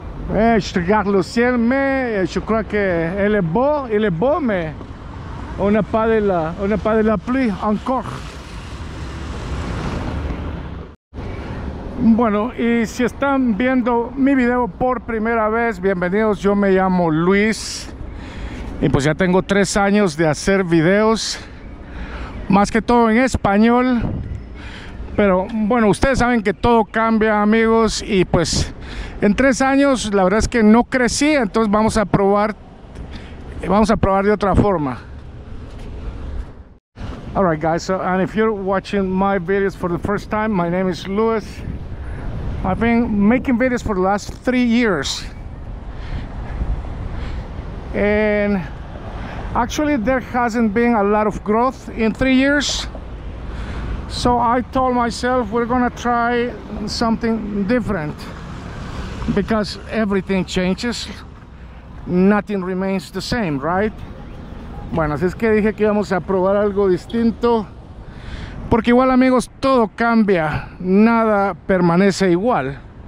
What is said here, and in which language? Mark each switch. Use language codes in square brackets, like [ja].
[fr] Je regarde le ciel, mais je crois qu'il est beau, mais on n'a pas de la pluie encore. [es] Bueno, y si están viendo mi video por primera vez, bienvenidos. Yo me llamo Luis y pues ya tengo 3 años de hacer videos, más que todo en español. Pero bueno, ustedes saben que todo cambia, amigos, y pues en 3 años la verdad es que no crecí. Entonces vamos a probar de otra forma. [en] All right, guys, so, and if you're watching my videos for the first time, my name is Luis. I've been making videos for the last 3 years, and actually there hasn't been a lot of growth in 3 years, so I told myself we're gonna try something different, because everything changes, nothing remains the same, right? [es] Bueno, así es que dije que íbamos a probar algo distinto. Porque igual, amigos, todo cambia, nada permanece igual.